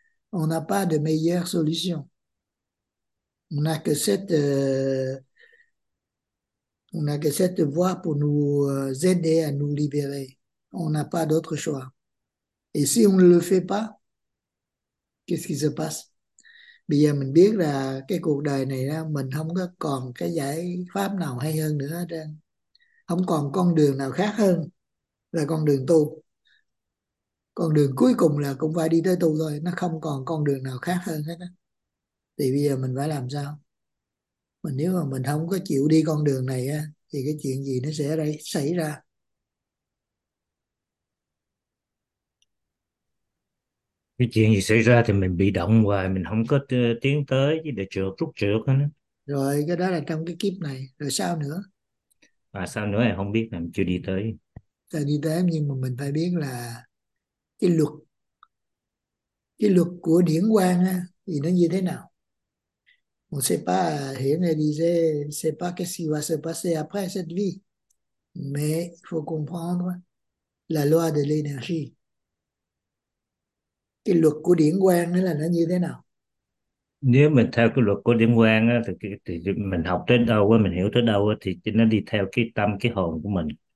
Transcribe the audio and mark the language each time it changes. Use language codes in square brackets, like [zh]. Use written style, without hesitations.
[fr] On n'a pas de meilleure solution. On n'a que cette voie pour nous aider à nous libérer. On n'a pas d'autre choix. Et si on ne le fait pas, qu'est-ce qui se passe? [vi] Bây giờ mình biết là cái cuộc đời này đó, mình không có còn cái giải pháp nào hay hơn nữa hết trơn. Không còn con đường nào khác hơn là con đường tu. Con đường cuối cùng là cũng phải đi tới tu thôi. Nó không còn con đường nào khác hơn hết đó. Thì bây giờ mình phải làm sao? Mình nếu mà mình không có chịu đi con đường này á, thì cái chuyện gì nó sẽ xảy ra? Cái chuyện gì xảy ra thì mình bị động hoài, mình không có tiến tới với để trượt rút trượt hết. Rồi cái đó là trong cái kiếp này. Rồi sao nữa? Mà sao nữa em không biết, em chưa đi tới. Ta đi tới, nhưng mà mình phải biết là cái luật của điển quang á, thì nó như thế nào? [fr] On ne sait pas, [vi] hiện nay [fr] disait, on ne sait pas qu'est-ce qui va se passer après cette vie. Mais il faut comprendre la loi de l'énergie. [vi] Cái luật của điển quang đó là nó như thế nào? Nếu mình theo cái luật của điểm quang á, thì mình học đến đâu á, mình hiểu tới đâu á, thì nó đi theo cái tâm, cái hồn của mình.